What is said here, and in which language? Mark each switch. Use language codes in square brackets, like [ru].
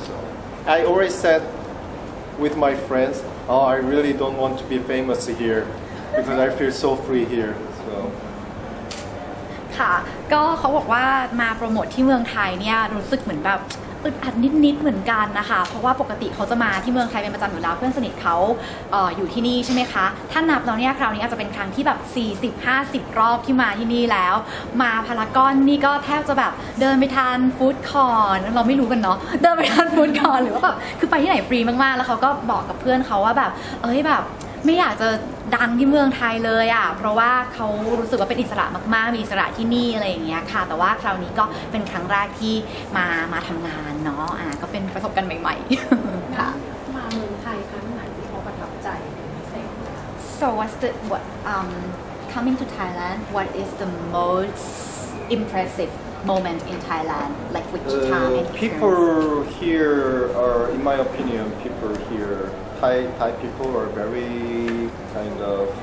[en] So I always said with my friends, oh, I really don't want to be famous here. Because I feel so free here, so. [th] ค่ะก็เขาบอกว่ามาโปรโมทที่เมืองไทยเนี่ยรู้สึกเหมือนแบบอึดอัดนิดๆเหมือนกันนะคะเพราะว่าปกติเขาจะมาที่เมืองไทยเป็นประจำอยู่แล้วเพื่อนสนิทเขา อยู่ที่นี่ใช่ไหมคะท่านนับแล้วเนี่ยคราวนี้อาจจะเป็นครั้งที่แบบ40 50รอบที่มาที่นี่แล้วมาพารากอนนี่ก็แทบจะแบบเดินไปทานฟู้ดคอร์ทเราไม่รู้กันเนาะเดินไปทานฟู้ดคอร์ทหรือว่าแบบคือไปที่ไหนฟรีมากๆแล้วเขาก็บอกกับเพื่อนเขาว่าแบบเอ้ยแบบไม่อยากจะดังที่เมืองไทยเลยอ่ะเพราะว่าเขารู้สึกว่าเป็นอิสระมากๆมีอิสระที่นี่อะไรอย่างเงี้ยค่ะแต่ว่าคราวนี้ก็เป็นครั้งแรกที่มาทำงานเนาะก็เป็นประสบการณ์ใหม่ๆค่ะ มาเมืองไทยครั้งไหนที่เขาประทับใจเป็นพิ เศษ [en] So what coming to Thailand what is the most impressive moment in Thailand like which time people here are in my opinion people hereThai people are very kind of